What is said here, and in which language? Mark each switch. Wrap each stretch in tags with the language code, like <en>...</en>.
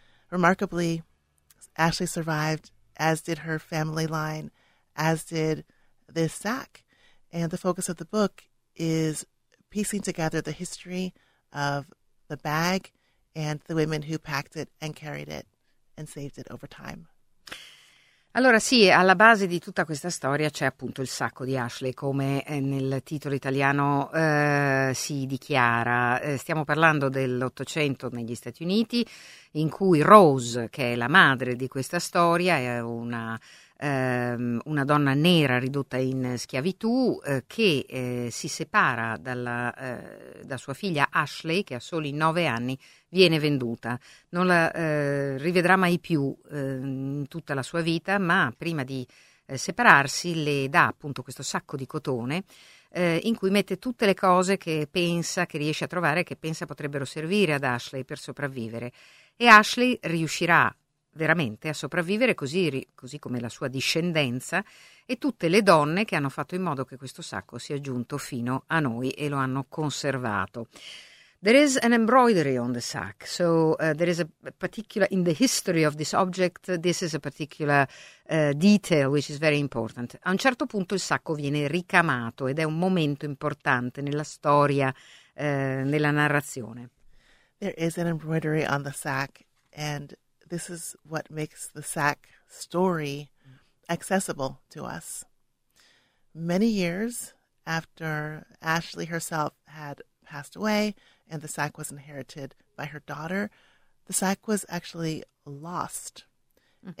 <en>Remarkably, Ashley survived, as did her family line, as did this sack. And the focus of the book is piecing together the history of the bag and the women who packed it and carried it and saved it over time.</en> <it>Allora sì, alla base di tutta questa storia c'è appunto il sacco di Ashley, come nel titolo italiano si dichiara. Stiamo parlando dell'Ottocento negli Stati Uniti, in cui Rose, che è la madre di questa storia, è una donna nera ridotta in schiavitù, che si separa da sua figlia Ashley, che ha soli 9 anni, viene venduta. Non la rivedrà mai più in tutta la sua vita, ma prima di separarsi le dà appunto questo sacco di cotone in cui mette tutte le cose che pensa, che riesce a trovare, che pensa potrebbero servire ad Ashley per sopravvivere. E Ashley riuscirà veramente a sopravvivere, così come la sua discendenza e tutte le donne che hanno fatto in modo che questo sacco sia giunto fino a noi e lo hanno conservato.</it> <en>There is an embroidery on the sack, so there is a particular, in the history of this object, this is a particular detail which is very important.</en> <it>A un certo punto il sacco viene ricamato ed è un momento importante nella storia, nella narrazione.</it> <en>There is an embroidery on the sack, and this is what makes the sack story accessible to us. Many years after Ashley herself had passed away and the sack was inherited by her daughter, the sack was actually lost. Mm-hmm.</en>